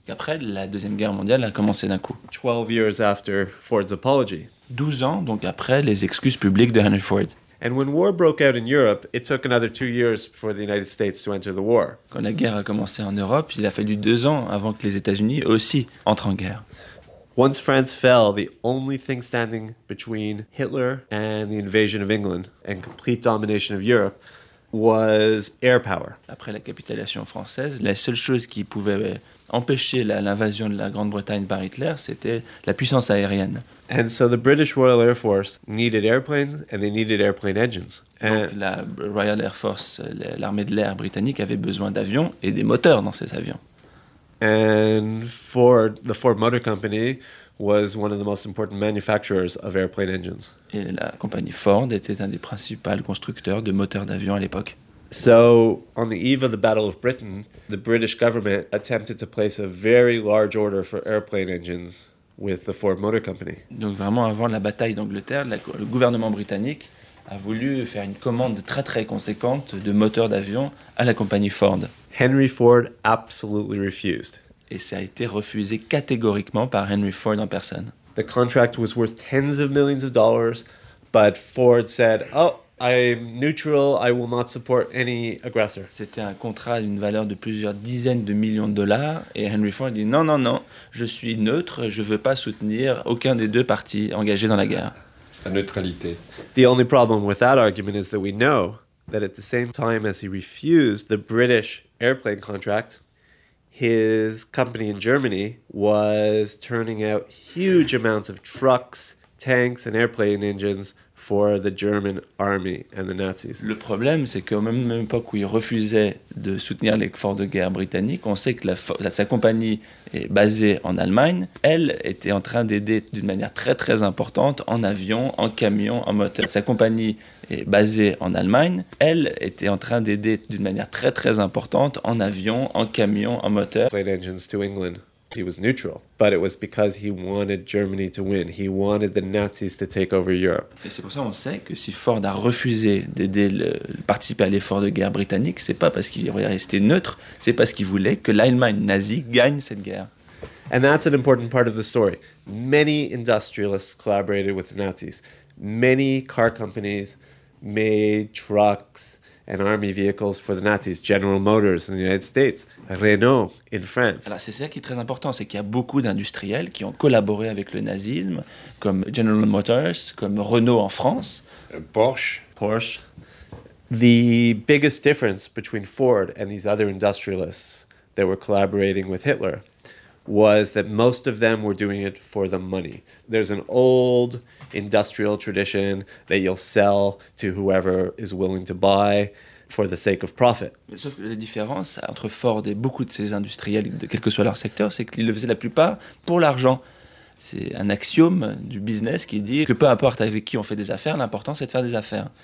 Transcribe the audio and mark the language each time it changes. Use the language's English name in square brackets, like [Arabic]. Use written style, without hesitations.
[French] Après, la Deuxième Guerre mondiale a commencé d'un coup. [English] 12 years after Ford's apology. [French] 12 ans, donc après les excuses publiques de Henry Ford. [English] And when war broke out in Europe, it took another 2 years for the United States to enter the war. [French] Quand la guerre a commencé en Europe, il a fallu 2 ans avant que les États-Unis aussi entrent en guerre. [English] Once France fell, the only thing standing between Hitler and the invasion of England and complete domination of Europe was air power. [French] Après la capitulation française, la seule chose qui pouvait empêcher l'invasion de la Grande-Bretagne par Hitler, c'était la puissance aérienne. [English] And so the British Royal Air Force needed airplanes and they needed airplane engines. [French] Donc la Royal Air Force, l'armée de l'air britannique, avait besoin d'avions et des moteurs dans ces avions. [English] And Ford, the Ford Motor Company, was one of the most important manufacturers of airplane engines. [French] Et la compagnie Ford était un des principaux constructeurs de moteurs d'avion à l'époque. [English] So, on the eve of the Battle of Britain, the British government attempted to place a very large order for airplane engines with the Ford Motor Company. [French] Donc vraiment avant la bataille d'Angleterre, le gouvernement britannique a voulu faire une commande très très conséquente de moteurs d'avion à la compagnie Ford. [English] Henry Ford absolutely refused. [French] Et ça a été refusé catégoriquement par Henry Ford en personne. [English] The contract was worth tens of millions of dollars, but Ford said, "Oh, I'm neutral, I will not support any aggressor." [French] C'était un contrat d'une valeur de plusieurs dizaines de millions de dollars et Henry Ford dit non, non, non, je suis neutre, je ne veux pas soutenir aucun des deux parties engagées dans la guerre. La neutralité. [English] The only problem with that argument is that we know that at the same time as he refused the British airplane contract, his company in Germany was turning out huge amounts of trucks, tanks and airplane engines for the German army and the Nazis. [French] Le problème, c'est qu'au même époque où il refusait de soutenir les forces de guerre britanniques, on sait que sa compagnie est basée en Allemagne. Elle était en train d'aider d'une manière très très importante en avion, en camion, en moteur. Sa compagnie est basée en Allemagne. Elle était en train d'aider d'une manière très très importante en avion, en camion, en moteur. [English] Plane engines to England. He was neutral, but it was because he wanted Germany to win. He wanted the Nazis to take over Europe. [French] Et c'est pour ça qu'on sait que si Ford a refusé d'aider participer à l'effort de guerre britannique, c'est pas parce qu'il voulait rester neutre, c'est parce qu'il voulait que l'Allemagne nazie gagne cette guerre. [English] And that's an important part of the story. Many industrialists collaborated with the Nazis. Many car companies made trucks and army vehicles for the Nazis, General Motors in the United States, Renault in France. [French] Alors c'est ça qui est très important, c'est qu'il y a beaucoup d'industriels qui ont collaboré avec le nazisme, comme General Motors, comme Renault en France. [English] Porsche. The biggest difference between Ford and these other industrialists that were collaborating with Hitler was that most of them were doing it for the money. There's an old industrial tradition that you'll sell to whoever is willing to buy for the sake of profit. [French] Sauf que la différence entre Ford et beaucoup de ces industriels, quel que soit leur secteur, c'est qu'ils le faisaient la plupart pour l'argent. C'est un axiome du business qui dit que peu importe avec qui on fait des affaires, l'important c'est de faire des affaires.